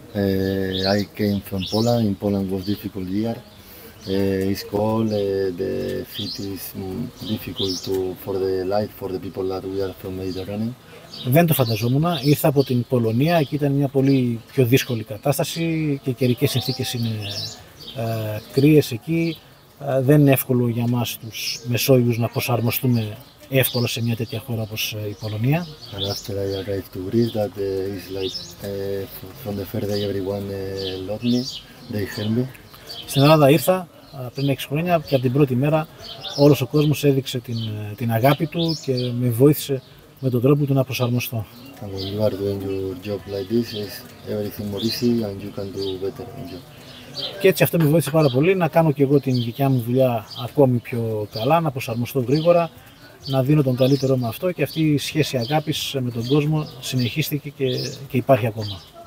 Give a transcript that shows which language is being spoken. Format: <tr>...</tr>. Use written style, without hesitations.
<en>I came from Poland. In Poland was a difficult year. It's cold. The city is difficult for the life, for the people that we are from Mediterranean.</en> <el>Δεν το φανταζόμουν. Ήρθα από την Πολωνία και ήταν μια πολύ πιο δύσκολη κατάσταση και οι καιρικές συνθήκες είναι κρύες εκεί. Δεν είναι εύκολο για μας τους Μεσόγειους να προσαρμοστούμε εύκολα σε μια τέτοια χώρα όπως η Πολωνία.</el> <en>And after I arrived to Greece, that is like from the first day everyone loved me, they helped me.</en> <el>Στην Ελλάδα ήρθα πριν 6 χρόνια και από την πρώτη μέρα όλος ο κόσμος έδειξε την αγάπη του και με βοήθησε με τον τρόπο του να προσαρμοστώ.</el> <en>And when you are doing your job like this, is everything more easy and you can do better than you.</en> <el>Και έτσι αυτό με βοήθησε πάρα πολύ να κάνω και εγώ την δικιά μου δουλειά ακόμη πιο καλά, να προσαρμοστώ γρήγορα, να δίνω τον καλύτερό μου αυτό και αυτή η σχέση αγάπης με τον κόσμο συνεχίστηκε και υπάρχει ακόμα.</el>